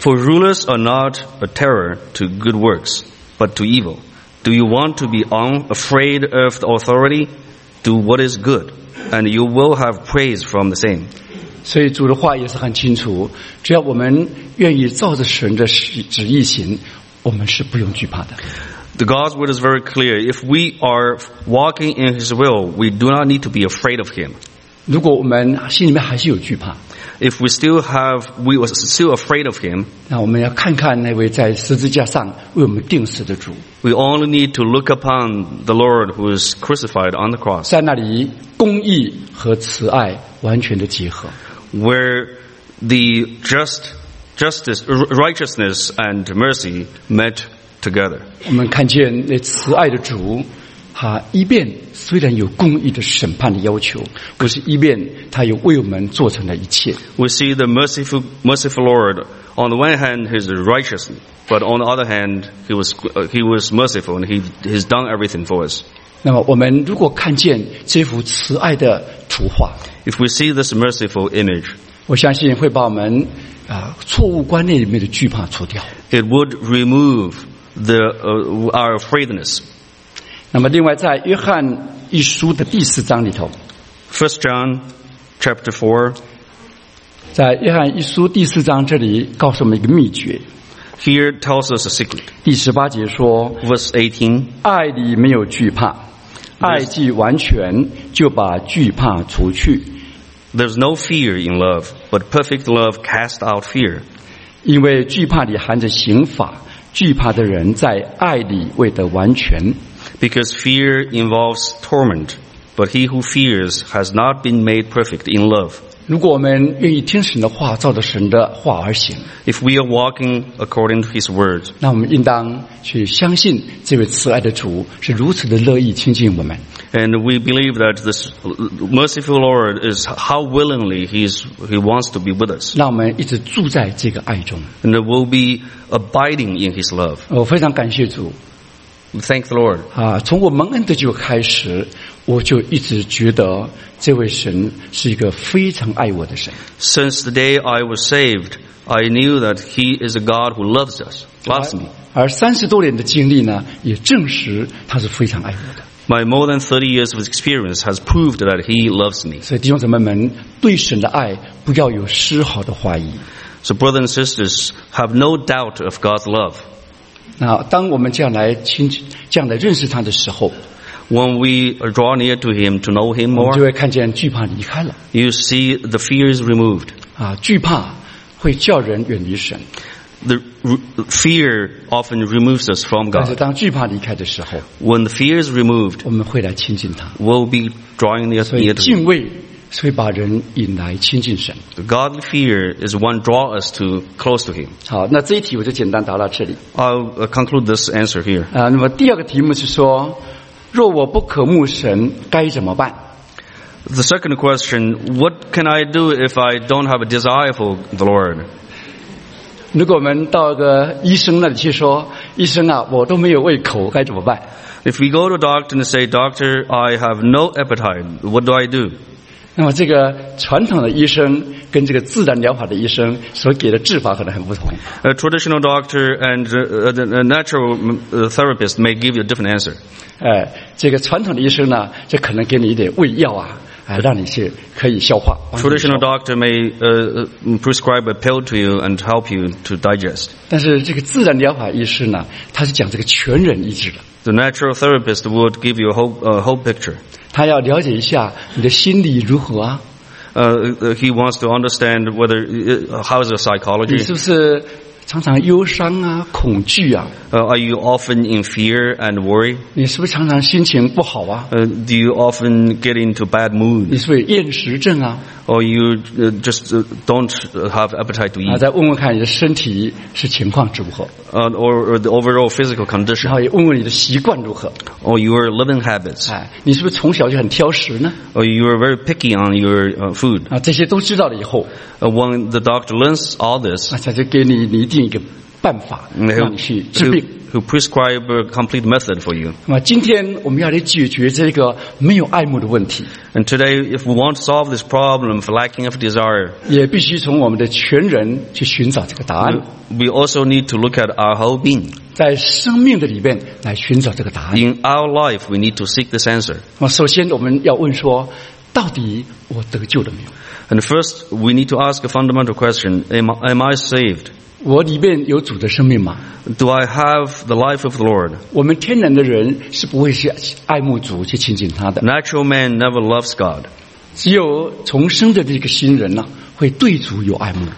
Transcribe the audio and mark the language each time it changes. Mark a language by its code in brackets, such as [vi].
[en] For rulers are not a terror to good works, but to evil. Do you want to be afraid of the authority? Do what is good. And you will have praise from the same. [zh] 所以主的话也是很清楚，只要我们愿意照着神的旨意行，我们是不用惧怕的。 [en] The God's word is very clear. If we are walking in His will, we do not need to be afraid of Him. [zh] 如果我们心里面还是有惧怕， [en] if we still have, we are still afraid of Him. [zh] 那我们要看看那位在十字架上为我们钉死的主。 [en] We only need to look upon the Lord who is crucified on the cross. [zh] 在那里公义和慈爱完全的结合， [en] where the righteousness and mercy met together. [zh] 我们看见那慈爱的主，他一边虽然有公义的审判的要求，可是一边他又为我们做成了一切。 [en] We see the merciful Lord. On the one hand, he is righteous, but on the other hand, he was merciful and he's done everything for us. [zh] 那么我们如果看见这幅慈爱的图画， [en] If we see this merciful image, [zh] 我相信会把我们错误观念里面的惧怕除掉。 [en] It would remove our afraidness. [zh] 那么另外在约翰一书的第四章里头， [en] First John chapter 4， [zh] 在约翰一书第四章这里告诉我们一个秘诀。 [en] Here tells us a secret. [zh] 第十八节说， [en] Verse 18， [zh] 爱里没有惧怕，爱既完全就把惧怕除去。 [en] There's no fear in love, but perfect love casts out fear. [zh] 因为惧怕里含着刑罚，惧怕的人在爱里未得完全。 [en] Because fear involves torment, but he who fears has not been made perfect in love. [zh] 如果我们愿意听神的话，照着神的话而行。 [en] If we are walking according to his word, [zh] 那我们应当去相信这位慈爱的主是如此的乐意亲近我们。 [en] And we believe that this merciful Lord is how willingly he wants to be with us. [zh] 让我们一直住在这个爱中。 [en] And we'll be abiding in his love. [zh] 我非常感谢主。 [en] Thank the Lord. [zh] 啊，从我蒙恩的就开始，我就一直觉得这位神是一个非常爱我的神。 [en] Since the day I was saved, I knew that He is a God who loves us, loves me. [zh] 而三十多年的经历呢，也证实他是非常爱我的。 [en] My more than 30 years of experience has proved that He loves me. [zh] 所以弟兄姊妹们，对神的爱不要有丝毫的怀疑。 [en] So brothers and sisters, have no doubt of God's love. [zh] 那当我们这样来认识他的时候 [en] ，When we draw near to him to know him more， [zh] 我们就会看见惧怕离开了。 [en] You see the fear is removed。 [zh] 啊，惧怕会叫人远离神。 [en] The fear often removes us from God。 [zh] 但是当惧怕离开的时候 [en] ，When the fear is removed， [zh] 我们会来亲近他。 [en] We'll be drawing near to him。 [zh] 所以敬畏是会把人引来亲近神。 [en] The godly fear is one draw us to close to him. [zh] 好，那这一题我就简单答到这里。 [en] I'll conclude this answer here. [zh] 那么第二个题目是说，若我不渴慕神，该怎么办？ [en] The second question, what can I do if I don't have a desire for the Lord? [zh] 如果我们到一个医生那里去说，医生啊，我都没有胃口，该怎么办？ [en] If we go to a doctor and say, Doctor, I have no appetite, what do I do? [zh] 那么这个传统的医生跟这个自然疗法的医生所给的治法可能很不同。 [en] Traditional doctor and the natural therapist may give you a different answer. [zh] 这个传统的医生呢，就可能给你一点胃药啊，让你去可以消化。 [en] Traditional doctor may prescribe a pill to you and help you to digest. [zh] 但是这个自然疗法医师呢，他是讲这个全人医治的。 [en] The natural therapist would give you a whole picture. [zh] 他要了解一下你的心理如何啊。 [en] He wants to understand how is your psychology. [zh] 你是不是常常忧伤啊，恐惧啊。 [en] Are you often in fear and worry? [zh] 你是不是常常心情不好啊。 [en] Do you often get into bad mood? [zh] 你是不是厌食症啊。 [en] Or you just don't have appetite to eat. [zh] 再问问看你的身体是情况如何。 [en] Or the overall physical condition. [zh] 然后也问问你的习惯如何。 [en] Or your living habits. [zh] 你是不是从小就很挑食呢。 [en] Or you are very picky on your food. [zh] 这些都知道了以后。 [en] When the doctor learns all this. [zh] 他就给你定一个办法让你去治病。 [en] Who prescribe a complete method for you. [zh] 那么今天我们要来解决这个没有爱慕的问题。 [en] And today, if we want to solve this problem of lacking of desire, [zh] 也必须从我们的全人去寻找这个答案。 [en] We also need to look at our whole being. [zh] 在生命的里面来寻找这个答案。 [en] In our life, we need to seek this answer. [zh] 那首先我们要问说，到底我得救了没有？ [en] And first, we need to ask a fundamental question. Am I saved? [zh] 我里面有主的生命吗？ [en] Do I have the life of the Lord? [zh] 我们天然的人是不会去爱慕主去亲近他的。 [en] Natural man never loves God. [zh] 只有重生的这个新人呢，会对主有爱慕。